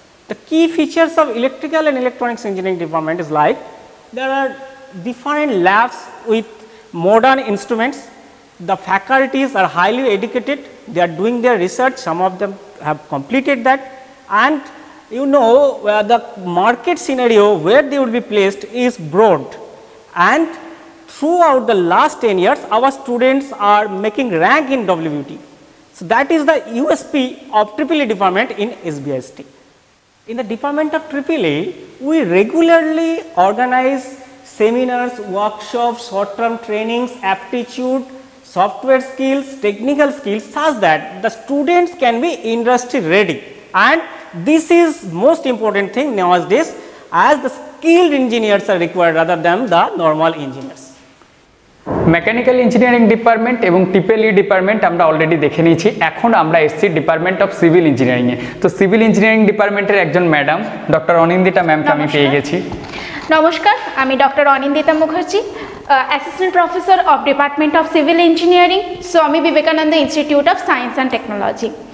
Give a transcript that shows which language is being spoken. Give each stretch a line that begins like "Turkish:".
English: The key features of electrical and electronics engineering department is like there are different labs with modern instruments, the faculties are highly educated, they are doing their research, some of them have completed that, and you know the market scenario where they would be placed is broad, and throughout the last 10 years our students are making rank in WBUT। So that is the USP of EEE department in SVIST. In the department of EEE, we regularly organize seminars, workshops, short-term trainings, aptitude, software skills, technical skills, such that the students can be industry ready. And this is most important thing nowadays, as the skilled engineers are required rather than the normal engineers.
Bangla: Mechanical Engineering Department এবং TPLE Department আমরা already দেখে নিয়েছি, এখন আমরা এসছি department of civil engineering এ। তো civil engineering ডিপার্টমেন্টের একজন ম্যাডাম ডক্টর অনিন্দিতা ম্যাম আমি পেয়ে গেছি। নমস্কার, আমি doctor Anindita Mukherjee, assistant professor of department of civil engineering, Swami Vivekananda institute of science and technology.